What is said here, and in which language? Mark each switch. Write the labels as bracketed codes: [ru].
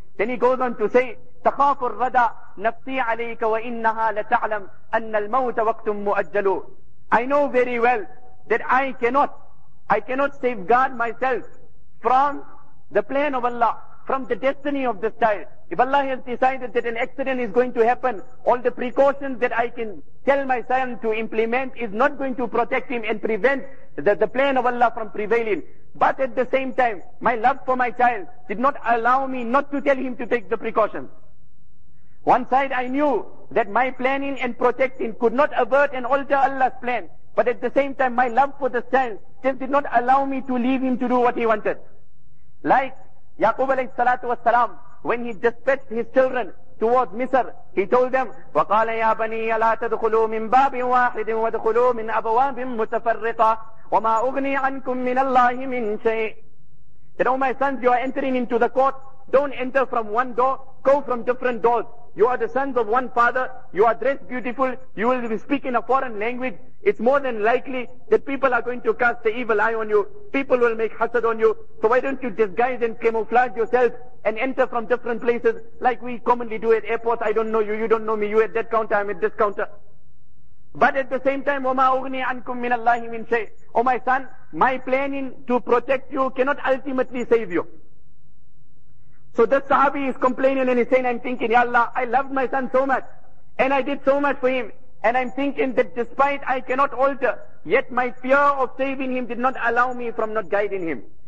[en] Then he goes on to say, [ar] تَخَافُ الرَّدَى نَفْسِي عَلَيْكَ وَإِنَّهَا لَتَعْلَمْ أَنَّ الْمَوْتَ وَقْتٌ مُؤَجَّلُ. [en] I know very well that I cannot safeguard myself from the plan of Allah, from the destiny of this child. If Allah has decided that an accident is going to happen, all the precautions that I can tell my son to implement is not going to protect him and prevent the plan of Allah from prevailing. But at the same time, my love for my child did not allow me not to tell him to take the precautions. One side I knew that my planning and protecting could not avert and alter Allah's plan. But at the same time, my love for this child still did not allow me to leave him to do what he wanted. Like Yaqub alayhi salatu was salam, when he dispatched his children towards Misr, he told them, [ar] وَقَالَ يَا بَنِيَ لَا تَدْخُلُوا مِن بَابٍ وَاحِدٍ وَدْخُلُوا مِن أَبْوَابٍ مُتَفَرِّقًا وَمَا أُغْنِي عَنْكُم مِنَ اللَّهِ مِن شَيْءٍ. [en] Then, oh my sons, you are entering into the court. Don't enter from one door. Go from different doors. You are the sons of one father. You are dressed beautiful. You will be speaking a foreign language. It's more than likely that people are going to cast the evil eye on you. People will make hasad on you. So why don't you disguise and camouflage yourself and enter from different places like we commonly do at airports. I don't know you. You don't know me. You at that counter. I'm at this counter. But at the same time, [ar] وَمَا أُغْنِي عَنْكُم مِّنَ اللَّهِ مِنْ شَيْءٍ. [en] O my son, my planning to protect you cannot ultimately save you. So this sahabi is complaining and he's saying, I'm thinking, Ya Allah, I loved my son so much and I did so much for him. And I'm thinking that despite I cannot alter, yet my fear of saving him did not allow me from not guiding him.